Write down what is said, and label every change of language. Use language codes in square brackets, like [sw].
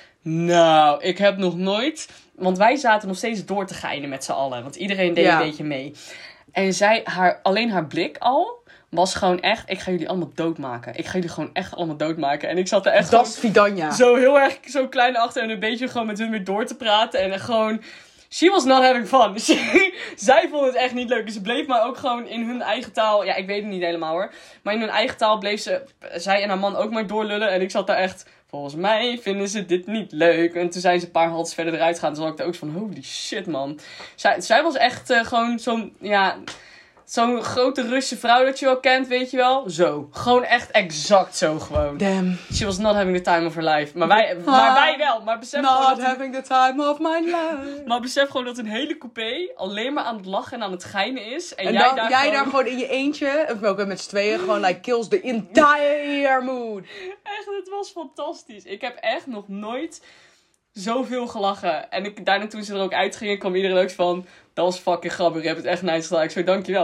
[nl] Nou, ik heb nog nooit... Want wij zaten nog steeds door te geinen met z'n allen. Want iedereen deed een beetje mee. En zij, alleen haar blik al... was gewoon echt, ik ga jullie allemaal doodmaken. Ik ga jullie gewoon echt allemaal doodmaken. En ik zat er echt dat is Fidanya. Zo heel erg, zo klein achter en een beetje gewoon met hun weer door te praten. En gewoon, [en] she was not having fun. [nl] Zij vond het echt niet leuk. Dus ze bleef maar ook gewoon in hun eigen taal, ja, ik weet het niet helemaal hoor. Maar in hun eigen taal bleef ze, zij en haar man ook maar doorlullen. En ik zat daar echt, volgens mij vinden ze dit niet leuk. En toen zijn ze een paar halts verder eruit gaan. Toen zat ik daar ook van, [en] holy shit man. [nl] Zij was echt gewoon zo'n, ja... zo'n grote Russische vrouw dat je wel kent, weet je wel. Zo. Gewoon echt exact zo gewoon. [en] Damn. She was not having the time of her life. [nl] Maar wij wel. Maar besef [en] not gewoon having the time of my life. [nl] Maar besef gewoon dat een hele coupé alleen maar aan het lachen en aan het geinen is. En jij daar gewoon in je eentje, of ook met z'n tweeën, gewoon [en] like kills the entire mood. [nl] Echt, het was fantastisch. Ik heb echt nog nooit zoveel gelachen. En ik, daarna toen ze er ook uitgingen, kwam iedereen ook van, dat was fucking grappig, je hebt het echt nice gedaan. Ik zei, dankjewel.